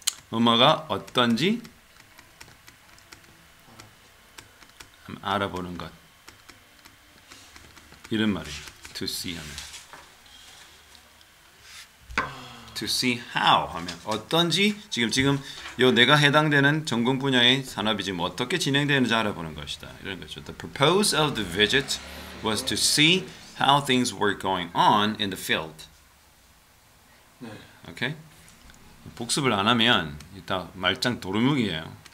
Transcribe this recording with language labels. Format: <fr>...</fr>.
<ko>엄마가 어떤지 알아보는 것. 이런 말이에요.</ko> <en>To see</en> <ko>하면.</ko> <en>To see how 하면.</en> <ko>어떤지 지금 요 내가 해당되는 전공 분야의 산업이 지금 어떻게 진행되는지 알아보는 것이다. 이런 거죠.</ko> <en>The purpose of the visit was to see how things were going on in the field.</en> <ko>네. Okay? 복습을 안 하면 이따 말짱 도루묵이에요.</ko>